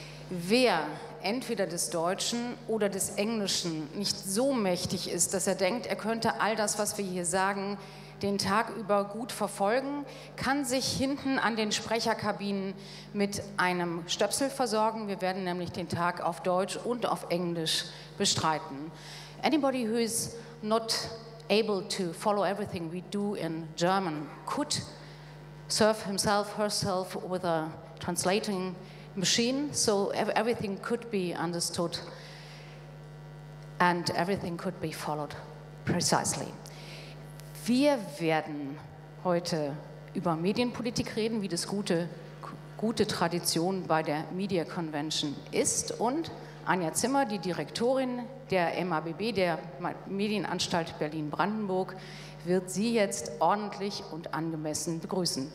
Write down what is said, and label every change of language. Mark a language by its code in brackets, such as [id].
[de] Wer entweder des Deutschen oder des Englischen nicht so mächtig ist, dass er denkt, er könnte all das, was wir hier sagen, den Tag über gut verfolgen, kann sich hinten an den Sprecherkabinen mit einem Stöpsel versorgen. Wir werden nämlich den Tag auf Deutsch und auf Englisch bestreiten. [en] Anybody who is not able to follow everything we do in German could serve himself, herself with a translating machine, so everything could be understood and everything could be followed precisely. [de] Wir werden heute über Medienpolitik reden, wie das gute Tradition bei der Media Convention ist, und Anja Zimmer, die Direktorin der MABB, der Medienanstalt Berlin-Brandenburg, wird Sie jetzt ordentlich und angemessen begrüßen.